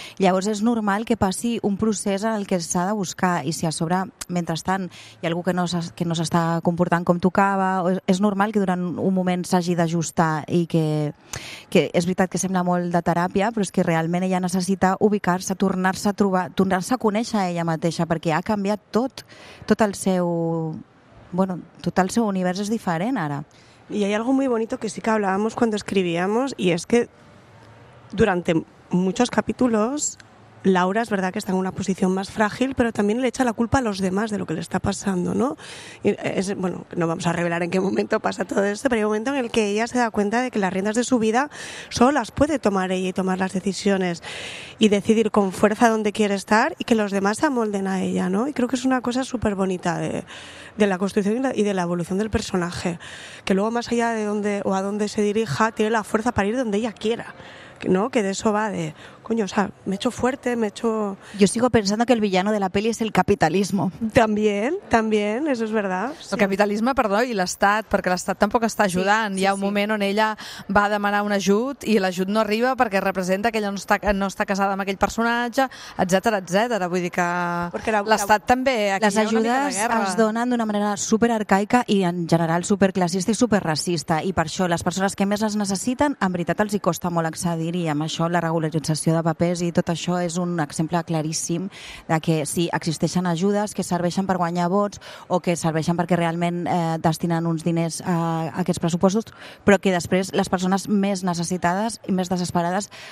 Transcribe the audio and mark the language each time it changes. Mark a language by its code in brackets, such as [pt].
[ca] Llavors és normal que passi un procés en el que s'ha de buscar i si a sobre, mentrestant, hi ha algú que no s'està comportant com tocava, és normal que durant un moment s'hagi d'ajustar i que és veritat que sembla molt de teràpia, però és que realment ella necessita ubicar-se, tornar-se a trobar, tornar-se a conèixer a ella mateixa perquè ha canviat tot el seu... Bueno, tot el seu univers és diferent ara. [es] Y hay algo muy bonito que sí que hablábamos cuando escribíamos y es que durante muchos capítulos Laura es verdad que está en una posición más frágil, pero también le echa la culpa a los demás de lo que le está pasando, ¿no? Y es, bueno, no vamos a revelar en qué momento pasa todo esto, pero hay un momento en el que ella se da cuenta de que las riendas de su vida solo las puede tomar ella y tomar las decisiones y decidir con fuerza dónde quiere estar y que los demás se amolden a ella, ¿no? Y creo que es una cosa súper bonita de la construcción y de la evolución del personaje, que luego más allá de dónde o a dónde se dirija, tiene la fuerza para ir donde ella quiera, ¿no? Que de eso va, de coño, o sea, me he hecho fuerte, me he hecho... Yo sigo pensando que el villano de la peli es el capitalismo. También, también, eso es verdad. El capitalismo, [ca] perdó, i l'estat, perquè l'estat tampoc està ajudant. Sí, sí, hi ha un moment on ella va demanar un ajut i l'ajut no arriba perquè representa que ella no està casada amb aquell personatge, etcètera, etcètera. Vull dir que l'estat també... Les ajudes es donen d'una manera superarcaica i en general superclassista i superracista, i per això les persones que més les necessiten, en veritat els hi costa molt accedir, i amb això la regularització de papers i tot això és un exemple claríssim de que sí, existeixen ajudes que serveixen per guanyar vots o que serveixen perquè realment destinen uns diners a aquests pressupostos, però que després les persones més necessitades i més desesperades